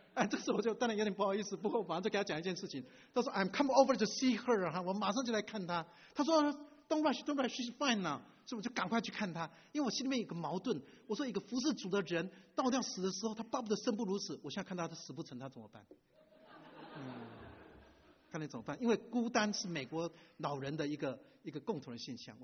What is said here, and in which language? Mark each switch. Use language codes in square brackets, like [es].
[zh] 哎，这时候我就当然有点不好意思，不过我马上就给他讲一件事情。他说 ： [en] “I'm come over to see her [zh] 哈，我马上就来看她。” 他说 [en] ：“Don't rush, don't rush, she's fine now。” [zh] 所以我就赶快去看她，因为我心里面有个矛盾。我说：“一个服侍主的人，到要死的时候，他巴不得生不如死。我现在看到他死不成，他怎么办？” 看你怎么办？因为孤单是美国老人的一个共同的现象。